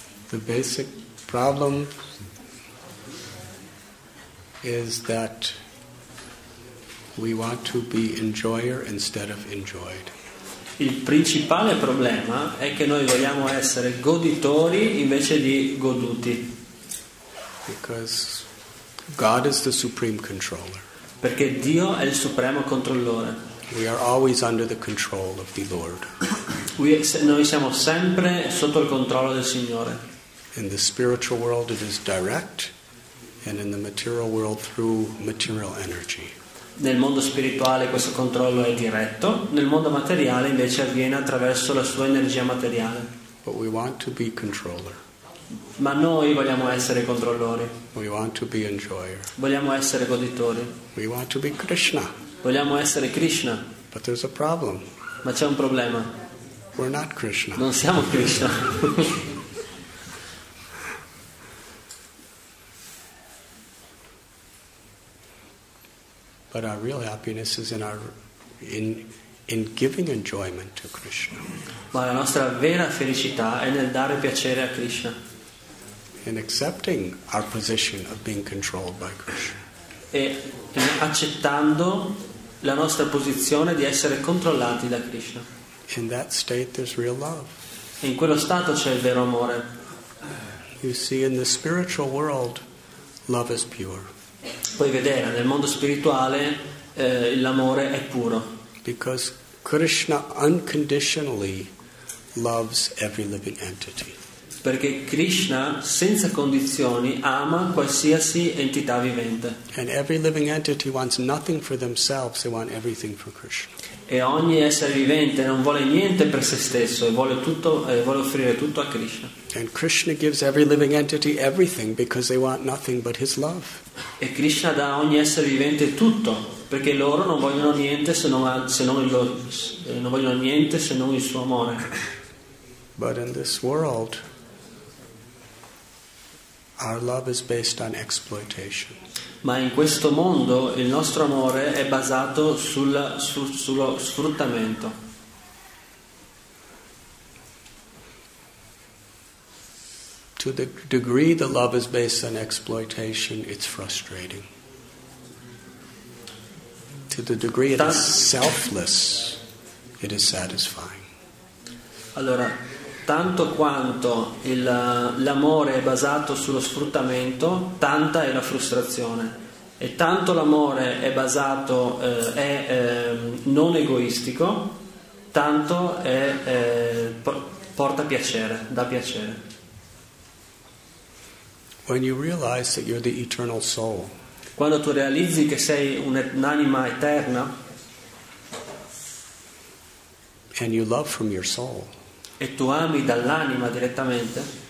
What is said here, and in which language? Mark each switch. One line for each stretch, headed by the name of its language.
English: The basic problem is that we want to be enjoyer instead of enjoyed.
Italian: Il principale problema è che noi vogliamo essere goditori invece di goduti.
English: Because God is the supreme controller.
Italian: Perché Dio è il supremo controllore.
English: We are always under the control of the Lord.
Italian: Noi siamo sempre sotto il controllo del Signore.
English: In the spiritual world it is direct. And in the material world through material energy.
Italian: Nel mondo spirituale questo controllo è diretto, nel mondo materiale invece avviene attraverso la sua energia materiale.
English: But we want to be controller.
Italian: Ma noi vogliamo essere controllori.
English: We want to be enjoyer.
Italian: Vogliamo essere goditori.
English: We want to be Krishna.
Italian: Vogliamo essere Krishna.
English: But there's a problem.
Italian: Ma c'è un problema.
English: We're not Krishna.
Italian: Non siamo Krishna.
English: But our real happiness is in giving enjoyment to Krishna.
Italian: Ma la nostra vera felicità è nel dare piacere a Krishna.
English: In accepting our position of being controlled by Krishna.
Italian: E accettando la nostra posizione di essere controllati da Krishna.
English: In that state there's real love.
Italian: E in quello stato c'è il vero amore.
English: You see, in the spiritual world, love is pure.
Italian: Puoi vedere, nel mondo spirituale l'amore è puro.
English: Because Krishna unconditionally loves every living entity.
Italian: Perché Krishna senza condizioni ama qualsiasi entità vivente.
English: And every living entity wants nothing for themselves, they want everything for Krishna.
Italian: E ogni essere vivente non vuole niente per se stesso, vuole offrire tutto a Krishna.
English: And Krishna gives every living entity everything because they want nothing but his love.
Italian: E Krishna dà a ogni essere vivente tutto, perché loro non vogliono niente se non il suo amore.
English: But in this world our love is based on exploitation.
Italian: Ma in questo mondo il nostro amore è basato sullo sfruttamento.
English: To the degree the love is based on exploitation, it's frustrating. To the degree it is selfless, it is satisfying.
Italian: Allora, tanto quanto l'amore è basato sullo sfruttamento, tanta è la frustrazione. E tanto l'amore è basato, non egoistico, tanto è porta piacere, dà piacere.
English: When you realize that you're the eternal soul,
Italian: quando tu realizzi che sei un'anima eterna,
English: and you love from your soul,
Italian: e tu ami dall'anima direttamente,